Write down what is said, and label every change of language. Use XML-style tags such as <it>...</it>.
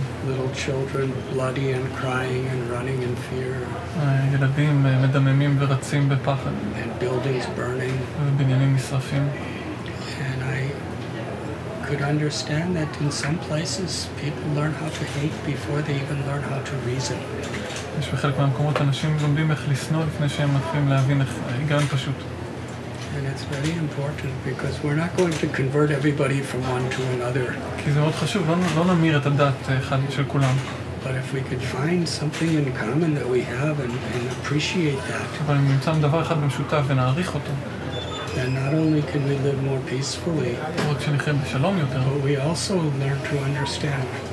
<en>Little children bloody and crying and running in fear.</en> <he>ילדים מדממים ורצים בפחד.</he> <en>And buildings burning.</en> <he>ובניינים נשרפים.</he> <en>And I could understand that in some places people learn how to hate before they even learn how to reason.</en> <he>יש בחלק מהמקומות אנשים לומדים איך לסנוא לפני שהם מתחילים להבין איך היגיון פשוט.</he> <en>And it's very important because we're not going to convert everybody from one to another.</en> <he>כי זה מאוד חשוב, לא נמיר את הדת אחד של כולם.</he> <en>But if we could find something in common that we have and appreciate that.</en> <he>אבל אם נמצא דבר אחד במשותף ונעריך אותו.</he> <en>Then not only can we live more peacefully.</en> <he>לא רק שנחיה בשלום יותר.</he> <en>But we also learn to understand.</en>